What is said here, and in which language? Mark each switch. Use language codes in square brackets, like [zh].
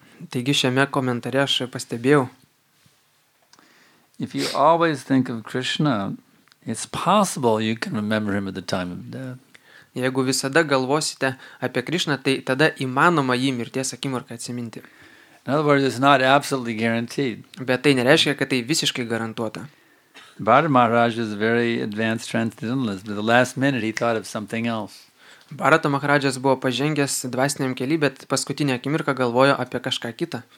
[lt] Taigi šiame komentare aš pastebėjau. [en] If you always think of Krishna, it's possible you can remember him at the time of death. [lt] Jeigu visada galvosite apie Krishna, tai tada įmanoma jį mirties akimirką atsiminti. [en] In other words, it's not absolutely guaranteed. [lt] Bet tai nereiškia, kad tai visiškai garantuota. [en] Bharata Maharaj is a very advanced transcendentalist, but the last minute he thought of something else. [lt] Bharata Maharajas buvo pažengęs dvasiniam keli, bet paskutinę akimirką galvojo apie kažką kitą.